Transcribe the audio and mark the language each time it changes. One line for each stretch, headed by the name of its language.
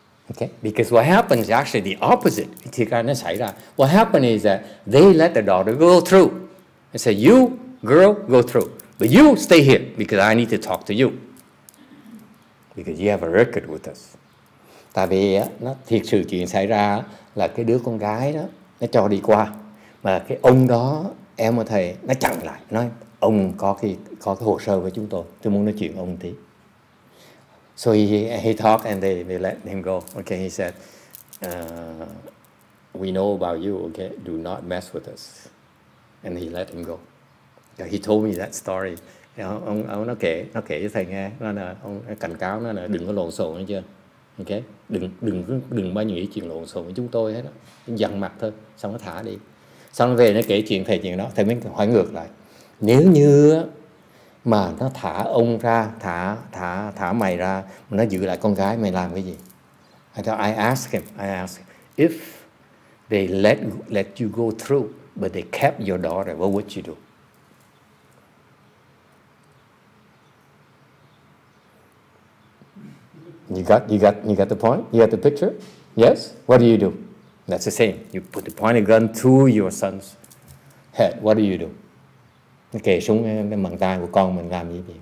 English: Okay, because what happens is actually the opposite.
Vietnamese: Thì cái nó xảy ra.
English: What happened is that they let the daughter go through. They said, you, girl, go through. But you stay here because I need to talk to you. Because you have a record with us.
Vietnamese: Tại vì nó thiệt sự chuyện xảy ra là cái đứa con gái đó, nó cho đi qua. Mà cái ông đó, em và thầy, nó chặn lại. Nói, ông có cái hồ sơ với chúng tôi. Tôi muốn nói chuyện ông tí.
English: So he talked and they let him go. Okay, he said, we know about you, okay? Do not mess with us. And he let him go. Yeah, he told me that story.
Vietnamese: Ông nó kể cho thầy nghe. Nó là ông cảnh cáo nó là đừng có lộn xộn nữa chưa? Okay? Đừng bao nhiêu chuyện lộn xộn với chúng tôi hết. Dằn mặt thôi, xong nó thả đi. Xong nó về nó kể chuyện đó. Thầy mới hỏi ngược lại. Nếu như mà nó thả ông ra, thả mày ra, mà nó giữ lại con gái, mày làm cái gì?
English: I asked him, if they let you go through, but they kept your daughter, what would you do? You got the point? You got the picture? Yes? What do you do? That's the same. You put the pointed gun to your son's head. What do you do?
Vietnamese: Nó kề súng cái mặt tay của con mình làm gì vậy?